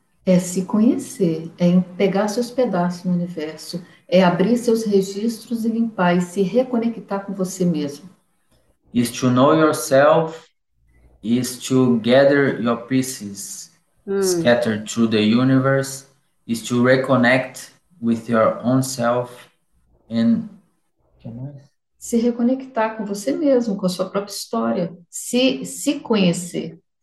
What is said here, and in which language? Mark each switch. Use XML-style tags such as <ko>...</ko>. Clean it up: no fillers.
<pt>É se conhecer, é pegar seus pedaços no universo, é abrir seus registros e limpar e se reconectar com você mesmo.</pt> <en>Is to know yourself, is to gather your pieces scattered through the universe, is to reconnect with your own self and...</en> <pt>Se reconectar com você mesmo, com a sua própria história, se conhecer.</pt>